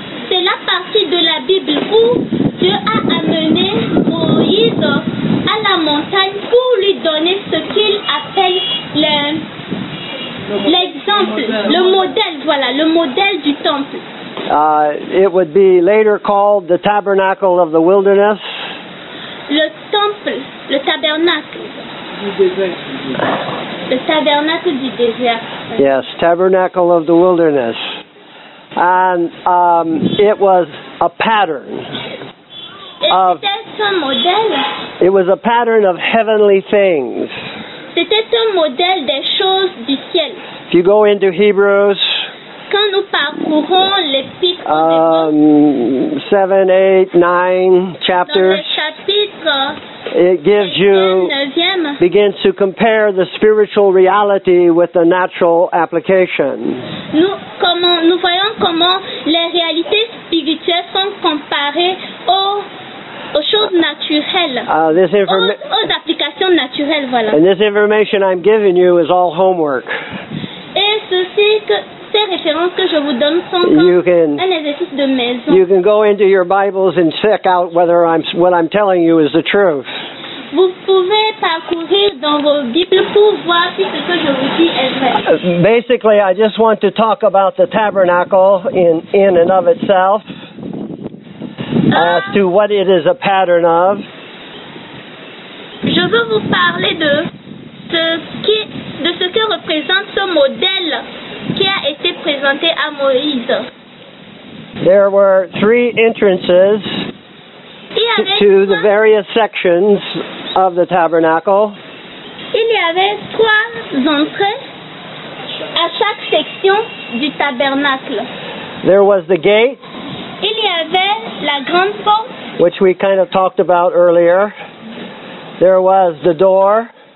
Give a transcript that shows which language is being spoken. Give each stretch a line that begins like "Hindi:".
French: C'est la partie de la Bible où Dieu a amené Moïse à la montagne pour lui donner ce qu'il appelle l'exemple, le modèle, voilà, le modèle du temple.
English: It would be later called the tabernacle of the wilderness.
French: Le temple, le tabernacle. Le tabernacle du désert.
English: Yes, tabernacle of the wilderness. And it was a pattern. It was a pattern of heavenly things.
French: C'était un modèle des choses du ciel.
English: If you go into Hebrews,
French: quand nous parcourons l'épître,
English: 7, 8, 9 chapters,
French: dans le chapitre,
English: it gives you, begins to compare the spiritual reality with the natural application.
French: Nous voyons comment les réalités spirituelles sont comparées aux choses naturelles, aux applications naturelles, voilà.
English: And this information I'm giving you is all homework.
French: Et ceci, ces références que je vous donne sont comme un exercice de maison.
English: You can go into your Bibles and check out whether what I'm telling you is the truth.
French: Vous pouvez parcourir dans vos Bibles pour voir si ce que je vous dis est vrai.
English: Basically, I just want to talk about the tabernacle in and of itself. As to what it is a pattern of.
French: Je veux vous parler de ce que représente ce modèle qui a été présenté à Moïse.
English: There were three entrances to the various sections of the tabernacle.
French: Il y avait trois entrées à chaque section du tabernacle.
English: There was the gate.
French: Il y avait la grande porte,
English: which we kind of talked about earlier. There was the door.